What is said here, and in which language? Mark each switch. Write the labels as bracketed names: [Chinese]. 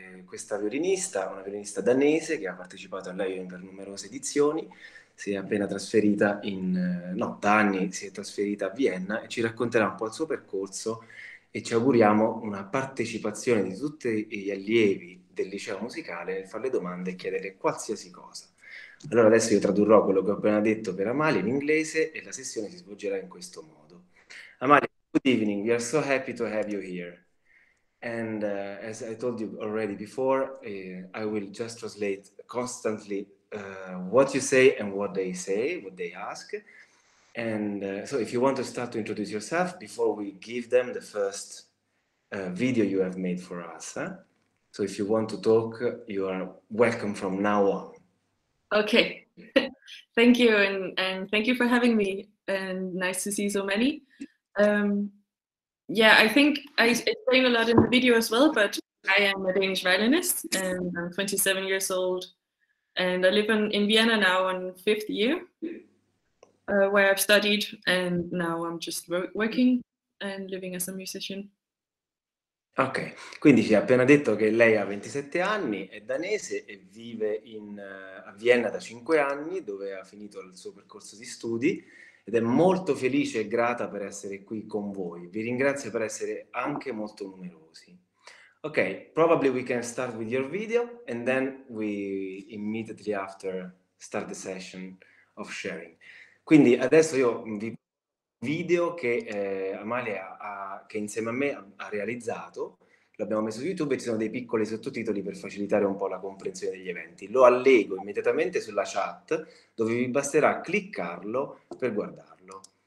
[Italian] Questa violinista, una violinista danese che ha partecipato a Leiden per numerose edizioni, si è appena trasferita no, da anni si è trasferita a Vienna e ci racconterà un po' il suo percorso e ci auguriamo una partecipazione di tutti gli allievi del liceo musicale nel farle domande e chiedere qualsiasi cosa. Allora adesso io tradurrò quello che ho appena detto per Amalia in inglese e la sessione si svolgerà in questo modo. [English] Amalia, good evening. We are so happy to have you here. And as I told you already before, I will just translate constantly what you say and what they ask. And so, if you want to start to introduce yourself before we give them the first video you have made for us, huh? So, if you want to talk, you are welcome from now on. Okay, thank you and thank you for having me and nice to see so many. I think I explained a lot in the video as well, but I am a Danish violinist and I'm 27 years old and I live in Vienna now on fifth year where I've studied and now I'm just working and living as a musician. [Italian] Ok, quindi ci ha appena detto che lei ha 27 anni, è danese e vive a Vienna da 5 anni, dove ha finito il suo percorso di studi ed è molto felice e grata per essere qui con voi. Vi ringrazio per essere anche molto numerosi. [English] Ok, probably we can start with your video and then we immediately after start the session of sharing. [Italian] Quindi adesso io vi video che Amalia che insieme a me ha realizzato, l'abbiamo messo su YouTube e ci sono dei piccoli sottotitoli per facilitare un po' la comprensione degli eventi. Lo allego immediatamente sulla chat dove vi basterà cliccarlo per guardarlo.